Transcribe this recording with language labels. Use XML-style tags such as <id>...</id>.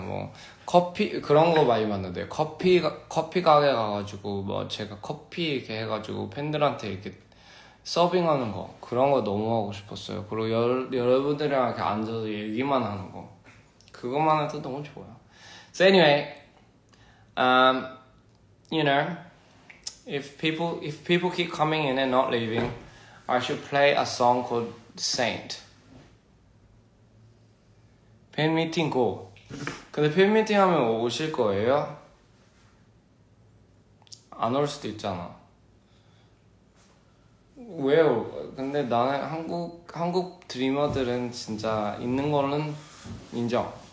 <ko>뭐 커피 그런 거 많이 봤는데 커피 가게 가가지고 뭐 제가 커피 이렇게 해가지고 팬들한테 이렇게 서빙하는 거 그런 거 너무 하고 싶었어요. 그리고 여러분들이랑 이렇게 앉아서 얘기만 하는 거 그것만 해도 너무 좋아요.</ko> <en>So anyway, you know, if people keep coming in and not leaving, I should play a song called Saint. Pin meeting go.</en> <ko>근데 팬 미팅 하면 오실 거예요? 안 올 수도 있잖아. 왜요? 근데 나는 한국 드리머들은 진짜 있는 거는 인정.</ko>